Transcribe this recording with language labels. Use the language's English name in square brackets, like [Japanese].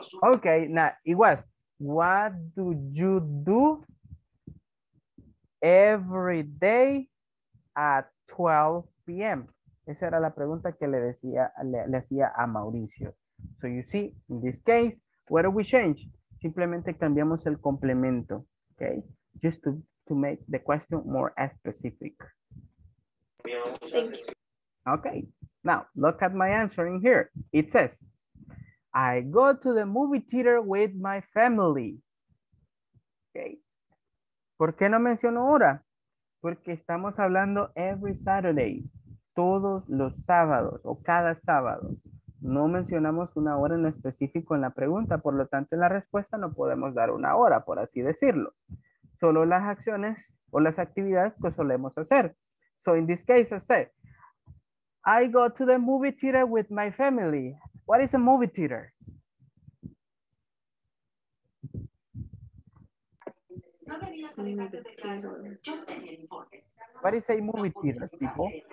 [English] Okay, now it was, what do you do every day at 12 p.m.? [Spanish] Esa era la pregunta que le decía, le hacía a Mauricio. [English] So you see, in this case, where do we change? [Spanish] Simplemente cambiamos el complemento, [English] okay? Just to make the question more specific. Thank you. Okay, now look at my answer in here. It says, I go to the movie theater with my family. [Spanish] Okay. ¿Por qué no menciono hora? Porque estamos hablando [English] every Saturday, [Spanish] todos los sábados o cada sábado. No mencionamos una hora en específico en la pregunta, por lo tanto en la respuesta no podemos dar una hora, por así decirlo. Solo las acciones o las actividades que solemos hacer. [English] So in this case I said, I go to the movie theater with my family. What is a movie theater? What is a movie theater, people?